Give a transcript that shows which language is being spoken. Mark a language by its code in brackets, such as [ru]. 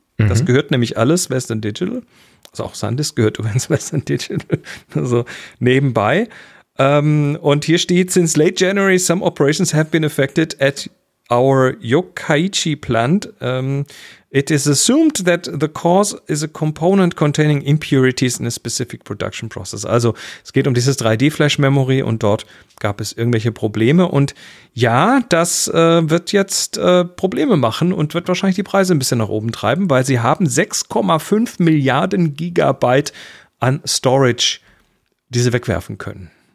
[de] Das gehört nämlich alles Western Digital. Also auch SanDisk gehört übrigens Western Digital, also nebenbei. Und hier steht, [en] since late January, some operations have been affected at our Yokkaichi plant. It is assumed that the cause is a component containing impurities in a specific production process. [de] Also es geht um dieses 3D-Flash-Memory und dort gab es irgendwelche Probleme. Und ja, das wird jetzt Probleme machen und wird wahrscheinlich die Preise ein bisschen nach oben treiben, weil sie haben 6,5 Milliarden Gigabyte an Storage, die sie wegwerfen können.